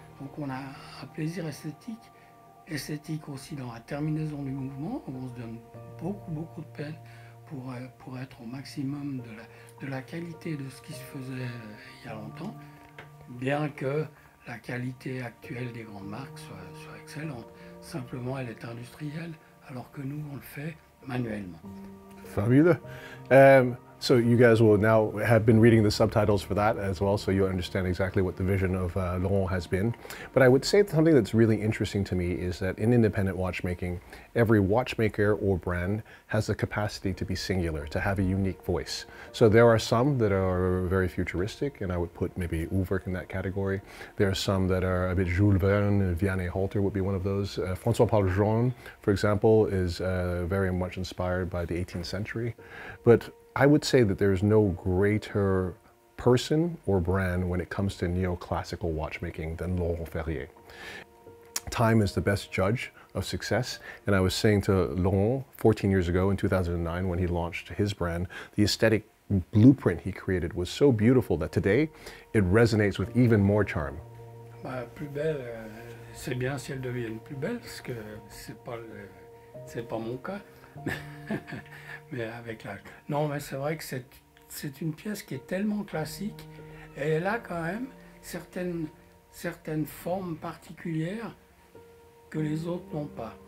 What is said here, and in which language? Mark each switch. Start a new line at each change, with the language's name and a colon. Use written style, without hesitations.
French: Donc on a un plaisir esthétique, esthétique aussi dans la terminaison du mouvement, où on se donne beaucoup de peine pour être au maximum de la qualité de ce qui se faisait il y a longtemps, bien que la qualité actuelle des grandes marques soit excellente. Simplement, elle est industrielle, alors que nous, on le fait manuellement. Fabuleux.
English: So you guys will now have been reading the subtitles for that as well, so you'll understand exactly what the vision of Laurent has been. But I would say something that's really interesting to me is that in independent watchmaking, every watchmaker or brand has the capacity to be singular, to have a unique voice. So there are some that are very futuristic, and I would put maybe Uhlwerk in that category. There are some that are a bit Jules Verne, Vianney Halter would be one of those. François-Paul Jean, for example, is very much inspired by the 18th century. But I would say that there is no greater person or brand when it comes to neoclassical watchmaking than Laurent Ferrier. Time is the best judge of success, and I was saying to Laurent 14 years ago in 2009 when he launched his brand, the aesthetic blueprint he created was so beautiful that today it resonates with even more charm.
French: Plus belle, c'est bien si elle devient plus belle, parce que c'est pas mon cas. Mais avec l'âge. Non, mais c'est vrai que c'est une pièce qui est tellement classique et elle a quand même certaines formes particulières que les autres n'ont pas.